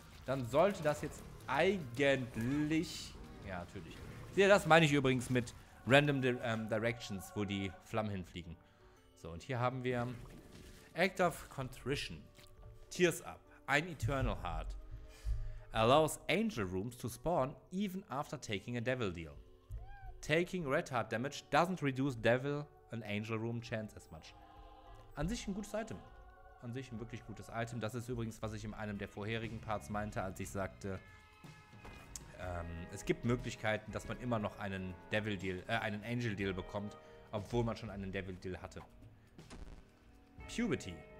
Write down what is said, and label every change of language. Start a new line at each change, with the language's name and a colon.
German: Dann sollte das jetzt eigentlich... Ja, natürlich. Ja, das meine ich übrigens mit Random Directions, wo die Flammen hinfliegen. So, und hier haben wir Act of Contrition. Tears Up. Ein Eternal Heart.
English: Allows Angel Rooms to spawn even after taking a Devil Deal. Taking Red Heart Damage doesn't reduce Devil and Angel Room Chance as much.
German: An sich ein gutes Item. An sich ein wirklich gutes Item. Das ist übrigens, was ich in einem der vorherigen Parts meinte, als ich sagte, es gibt Möglichkeiten, dass man immer noch einen Devil Deal, einen Angel Deal bekommt, obwohl man schon einen Devil Deal hatte. Puberty.